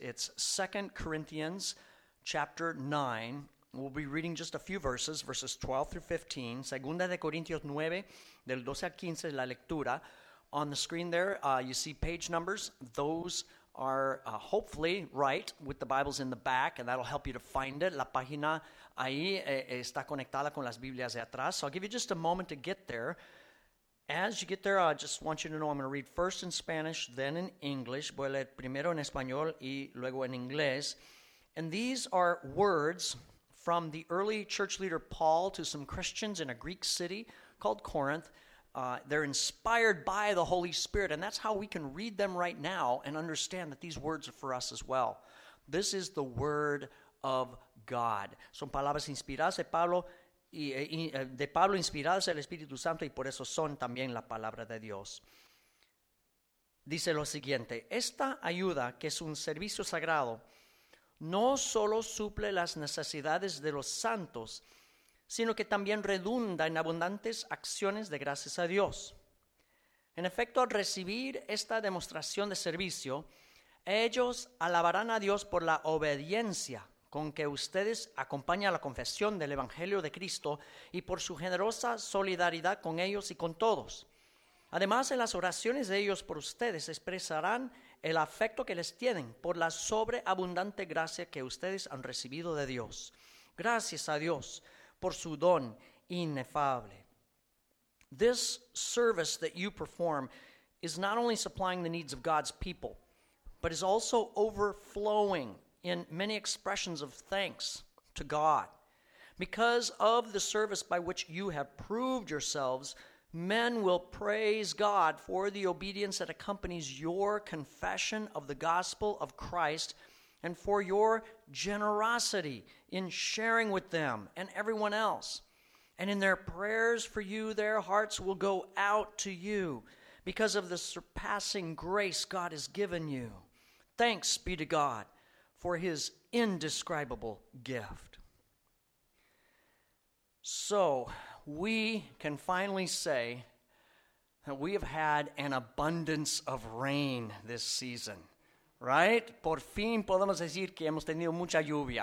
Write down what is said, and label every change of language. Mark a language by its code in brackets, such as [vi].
[en] It's 2 Corinthians chapter 9. We'll be reading just a few verses, verses 12 through 15. [es] Segunda de Corintios 9, del 12 al 15, la lectura. [en] On the screen there, you see page numbers. Those are hopefully right with the Bibles in the back, and that'll help you to find it. [es] La página ahí está conectada con las Biblias de atrás. [en] So I'll give you just a moment to get there. As you get there, I just want you to know I'm going to read first in Spanish, then in English. [es] Voy a leer primero en español y luego en inglés. [en] And these are words from the early church leader Paul to some Christians in a Greek city called Corinth. They're inspired by the Holy Spirit, and that's how we can read them right now and understand that these words are for us as well. This is the word of God. [es] Son palabras inspiradas de Pablo, inspiradas del Espíritu Santo, y por eso son también la palabra de Dios. Dice lo siguiente, esta ayuda, que es un servicio sagrado, no solo suple las necesidades de los santos, sino que también redunda en abundantes acciones de gracias a Dios. En efecto, al recibir esta demostración de servicio, ellos alabarán a Dios por la obediencia con que ustedes acompañan la confesión del Evangelio de Cristo y por su generosa solidaridad con ellos y con todos. Además, en las oraciones de ellos por ustedes expresarán el afecto que les tienen por la sobreabundante gracia que ustedes han recibido de Dios. Gracias a Dios por su don inefable. [en] This service that you perform is not only supplying the needs of God's people, but is also overflowing in many expressions of thanks to God. Because of the service by which you have proved yourselves, men will praise God for the obedience that accompanies your confession of the gospel of Christ and for your generosity in sharing with them and everyone else. And in their prayers for you, their hearts will go out to you because of the surpassing grace God has given you. Thanks be to God for his indescribable gift. So, we can finally say that we have had an abundance of rain this season, right? [es] Por fin podemos decir que hemos tenido mucha lluvia.